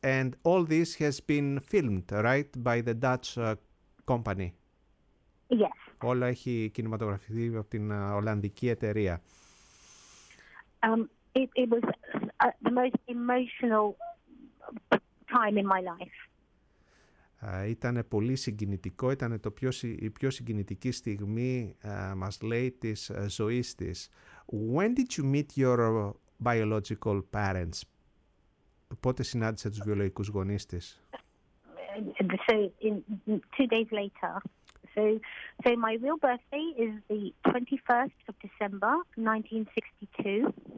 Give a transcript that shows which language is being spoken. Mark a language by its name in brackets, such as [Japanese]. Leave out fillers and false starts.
[English] And all this has been filmed, right, by the Dutch company. Yes. [Greek] Όλα έχει κινηματογραφηθεί από την Ολλανδική εταιρεία. [English] It was the most emotional time in my life. [Greek] Ήταν πολύ συγκινητικό, ήταν η πιο συγκινητική στιγμή, μας λέει, της ζωής της. [English] When did you meet your biological parents? [Greek] Πότε συνάντησε τους βιολογικούς γονείς της? [English] So, two days later. So my real birthday is the 21st of December, 1962.